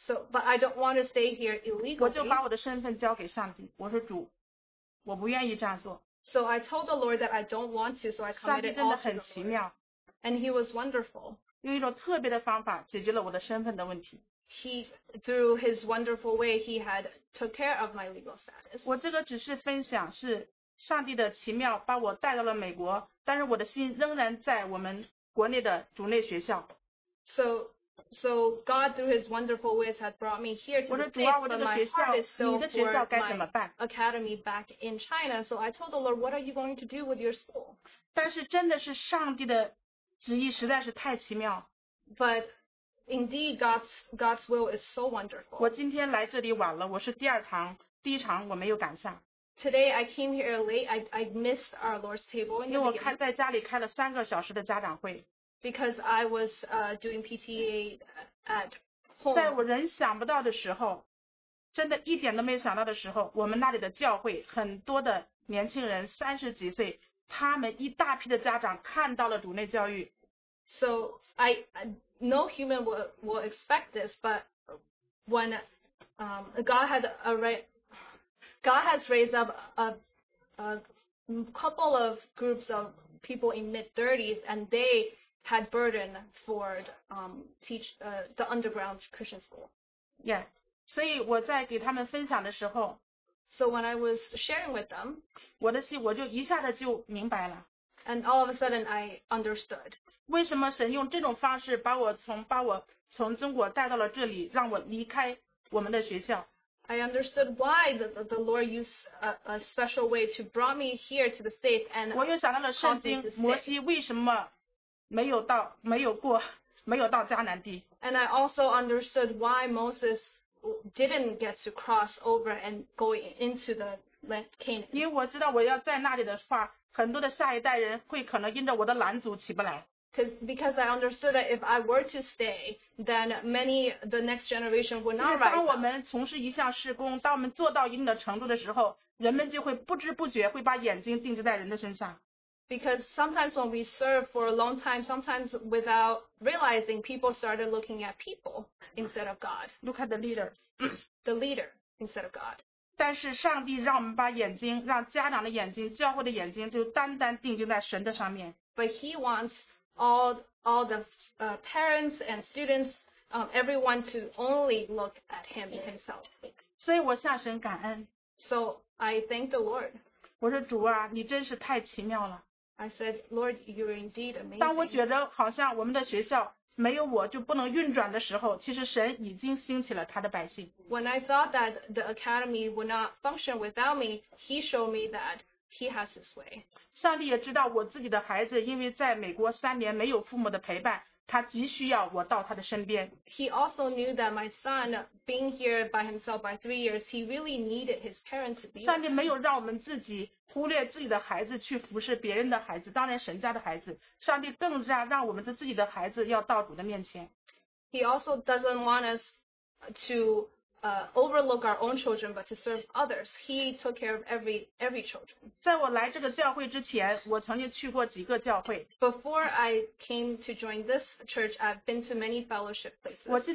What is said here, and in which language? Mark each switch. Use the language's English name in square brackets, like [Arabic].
[English] But I don't want to stay here illegally. [Chinese] 我就把我的身份交给上帝，我说主，我不愿意这样做。 [English] So I told the Lord that I don't want to, so I committed all to the Lord. And he was wonderful. [Chinese] 用一种特别的方法解决了我的身份的问题。 [English] He, through his wonderful way, he had took care of my legal status. [Chinese] 我这个只是分享是上帝的奇妙把我带到了美国，但是我的心仍然在我们国内的主内学校。 [English] So God, through his wonderful ways, had brought me here to the States, but my heart is still for my academy back in China. So I told the Lord, what are you going to do with your school? [Chinese] 但是真的是上帝的旨意实在是太奇妙。 [English] But indeed, God's will is so wonderful. [Chinese] 我今天来这里晚了，我是第二堂，第一堂我没有赶上。 [English] Today I came here late. I missed our Lord's table in the beginning. [Chinese] 因为我开在家里开了3个小时的家长会。 [English] Because I was doing PTA at home. [Chinese] 在我人想不到的时候，真的一点都没想到的时候，我们那里的教会很多的年轻人30几岁，他们一大批的家长看到了主内教育。 [English] So no human will expect this, but when God has raised up a couple of groups of people in mid-30s, and they had burden for the underground Christian school. [Chinese] Yeah. 所以我在给他们分享的时候, [English] So when I was sharing with them, [Chinese] 我的心我就一下子就明白了。 [English] And all of a sudden, I understood. [Chinese] 为什么神用这种方式把我从中国带到了这里, 让我离开我们的学校。 [English] I understood why the Lord used a special way to brought me here to the States and caused me to stay. And I also understood why Moses didn't get to cross over and go into the Canaan. [Chinese] 因为我知道我要在那里的话, 很多的下一代人会可能因着我的拦阻起不来。 [English] Because I understood that if I were to stay, then many, the next generation would not write. [Chinese] 当我们从事一项事工, 当我们做到一定的程度的时候, 人们就会不知不觉会把眼睛定制在人的身上。 [English] Because sometimes when we serve for a long time, sometimes without realizing, people started looking at people instead of God. Look at the leader. The leader instead of God. [Chinese] 但是上帝让我们把眼睛, 让家长的眼睛, 教会的眼睛, 就单单定睛在神的上面。 [English] But he wants all the parents and students, everyone to only look at him himself. [Chinese] 所以我向神感恩。 [English] So I thank the Lord. [Chinese] 我说主啊, 你真是太奇妙了。 [English] I said, Lord, you're indeed amazing. [Chinese] 当我觉得好像我们的学校没有我就不能运转的时候, 其实神已经兴起了他的百姓。 [English] When I thought that the academy would not function without me, he showed me that he has his way. [Chinese] 上帝也知道我自己的孩子因为在美国三年没有父母的陪伴, 他急需要我到他的身边。 [English] He also knew that my son, being here by himself by 3 years, he really needed his parents to be with him. [Chinese] 上帝没有让我们自己忽略自己的孩子去服侍别人的孩子, 当然神家的孩子, 上帝更加让我们的自己的孩子要到主的面前。 [English] He also doesn't want us to overlook our own children, but to serve others. He took care of every children. [Chinese] 在我来这个教会之前, 我曾经去过几个教会。 [English] Before I came to join this church, I've been to many fellowship places.